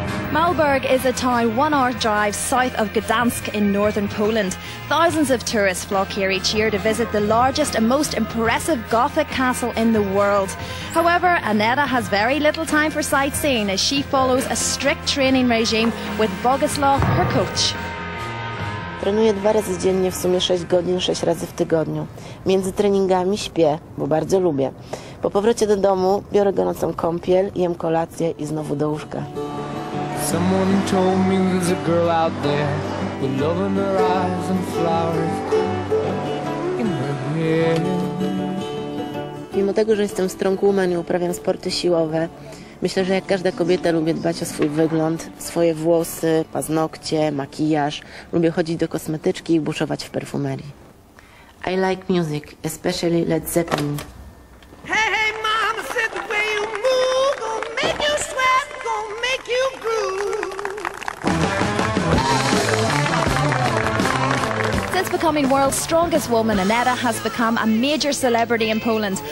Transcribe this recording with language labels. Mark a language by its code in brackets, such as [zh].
[en] Malbork is a town 1 hour drive south of Gdansk in northern Poland. Thousands of tourists flock here each year to visit the largest and most impressive Gothic castle in the world. However, Aneta has very little time for sightseeing as she follows a strict training regime with Bogusław, her coach. [pl] Trenuję dwa razy dziennie, w sumie 6 godzin, 6 razy w tygodniu. Między treningami śpię, bo bardzo lubię. Po powrocie do domu biorę gorącą kąpiel, jem kolację i znowu do łóżka. [en] Someone told me there's a girl out there with love in her eyes and flowers in her hair. [pl] Mimo tego, że jestem [en] strong woman [pl] i uprawiam sporty siłowe, myślę, że jak każda kobieta lubię dbać o swój wygląd, swoje włosy, paznokcie, makijaż. Lubię chodzić do kosmetyczki i buszować w perfumerii. [en] I like music, especially Led Zeppelin. Hey, hey, mama, said the way you move, gonna make you sweat, gonna make you groove. Since becoming world's strongest woman, Aneta has become a major celebrity in Poland.